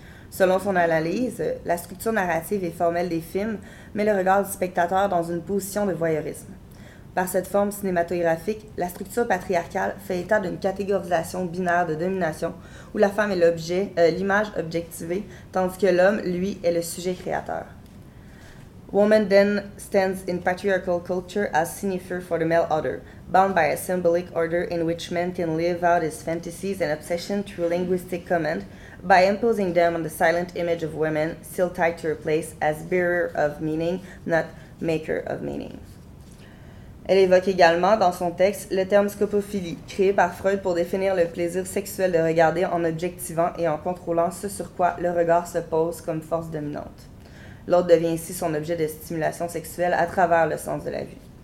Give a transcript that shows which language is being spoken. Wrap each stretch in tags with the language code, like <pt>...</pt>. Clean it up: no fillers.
<fr>Selon son analyse, la structure narrative et formelle des films met le regard du spectateur dans une position de voyeurisme. Par cette forme cinématographique, la structure patriarcale fait état d'une catégorisation binaire de domination où la femme est l'objet, l'image objectivée, tandis que l'homme, lui, est le sujet créateur.</fr> <en>Woman then stands in patriarchal culture as cynosure for the male other, bound by a symbolic order in which men can live out his fantasies and obsession through linguistic command by imposing them on the silent image of women still tied to her place as bearer of meaning, not maker of meaning.</en> <fr>Elle évoque également dans son texte le terme scopophilie, créé par Freud pour définir le plaisir sexuel de regarder en objectivant et en contrôlant ce sur quoi le regard se pose comme force dominante. L'autre devient ainsi son objet de stimulation sexuelle à travers le sens de la vue.</fr>